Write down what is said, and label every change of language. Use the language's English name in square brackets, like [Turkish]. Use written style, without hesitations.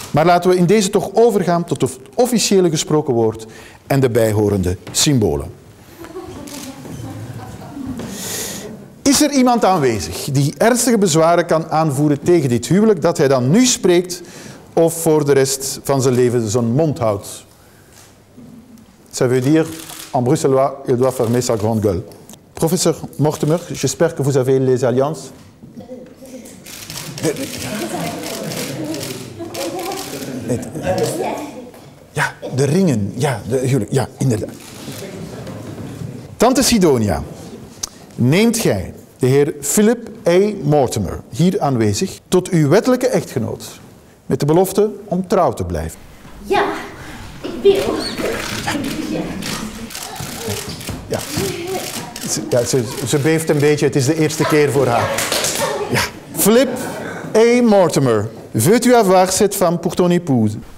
[Dutch] Maar laten we in deze toch overgaan tot het officiële gesproken woord en de bijhorende symbolen. Is er iemand aanwezig die ernstige bezwaren kan aanvoeren tegen dit huwelijk, dat hij dan nu spreekt of voor de rest van zijn leven zijn mond houdt? [French] Ça veut dire, en bruxellois, il doit fermer sa grande gueule. Professeur Mortimer, j'espère que vous avez les alliances. [Dutch] Ja, de ringen. Ja, de huwelijk. Ja, inderdaad. Tante Sidonia, neemt gij de heer Philip A. Mortimer hier aanwezig tot uw wettelijke echtgenoot met de belofte om trouw te blijven? Ja, ik wil. Ja. Ja. Ze beeft een beetje. Het is de eerste keer voor haar. Ja. Philip A. Mortimer. [French] Veut u avoir cette femme pour ton épouse?